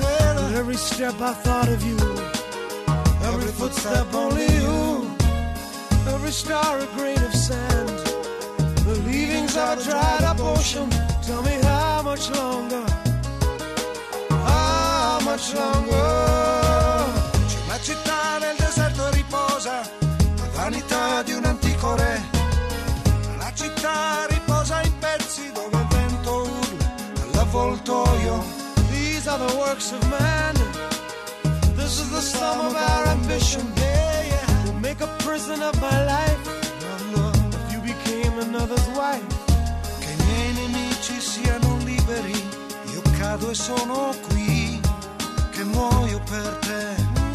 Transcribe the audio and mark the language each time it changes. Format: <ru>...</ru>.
<en>At every step I thought of you, every footstep only you, every star a grain of sand, the leavings of a dried up ocean. Tell me how much longer, how much longer.</en> <it>La città nel deserto riposa, la vanità di un antico re. La città riposa in pezzi dove il vento urla all'avvoltoio.</it> <en>These are the works of man, this is the sum of our ambition. Yeah, yeah. We'll make a prison of my life, if you became another's wife.</en> <it>Che i miei nemici siano liberi, io cado e sono qui, che muoio per te.</it>